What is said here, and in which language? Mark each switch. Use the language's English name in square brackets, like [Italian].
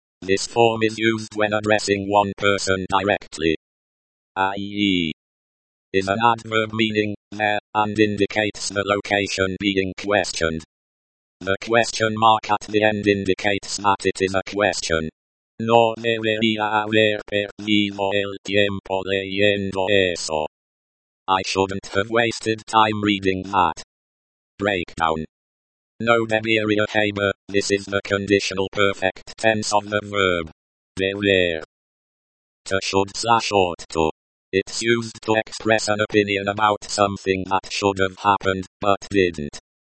[English] This form is used when addressing one person directly. I.e. is an adverb meaning there, and indicates the location being questioned. The question mark at the end indicates that it is a question. [Spanish] No debería haber perdido el tiempo leyendo eso. [English] I shouldn't have wasted time reading that. Breakdown. [Spanish] No debería haber, [English] this is the conditional perfect tense of the verb deber. To should slash ought to. It's used to express an opinion about something that should have happened, but didn't.